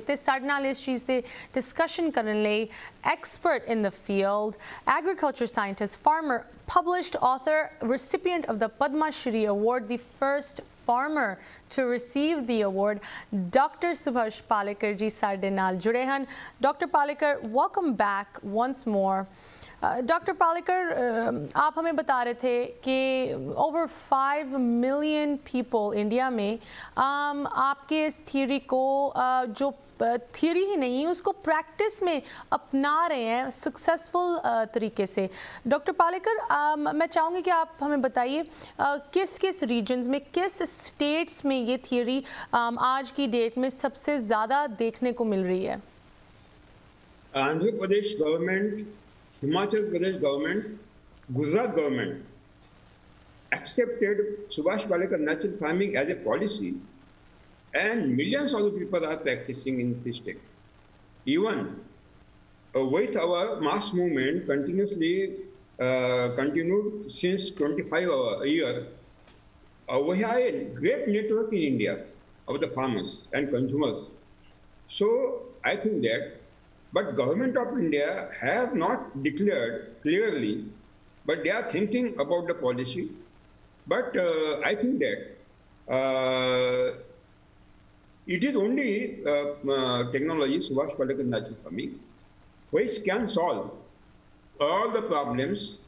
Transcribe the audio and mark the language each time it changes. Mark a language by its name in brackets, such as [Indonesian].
[Punjabi] ਅਤੇ ਸਾਡੇ ਨਾਲ ਇਸ ਚੀਜ਼ 'ਤੇ ਡਿਸਕਸ਼ਨ ਕਰਨ ਲਈ [English] expert in the field, agriculture scientist, farmer, published author, recipient of the Padma Shri award, the first farmer to receive the award, [Punjabi] doctor Subhash Palekar ਜੀ ਸਾਡੇ ਨਾਲ ਜੁੜੇ ਹਨ. [English] Doctor Palekar, welcome back once more. [Hindi] डॉक्टर पालेकर, आप हमें बता रहे थे कि [English] over 5 million people [Hindi] इंडिया में आपके इस थियरी को, जो थियरी ही नहीं, उसको प्रैक्टिस में अपना रहे हैं सक्सेसफुल तरीके से. डॉक्टर पालेकर, मैं चाहूँगी कि आप हमें बताइए किस किस रीजन्स में, किस स्टेट्स में ये थियरी आज की डेट में सबसे ज़्यादा देखने को मिल रही है. [English] Andhra Pradesh government, Himachal Pradesh government, Gujarat government accepted Subhash Palekar natural farming as a policy and millions of people are practicing in this state. Even with our mass movement continuously continued since 25 year, we have a great network in India of the farmers and consumers. So I think that, but government of India has not declared clearly, but they are thinking about the policy. But I think that it is only technology, Subhash Palekar natural farming, which can solve all the problems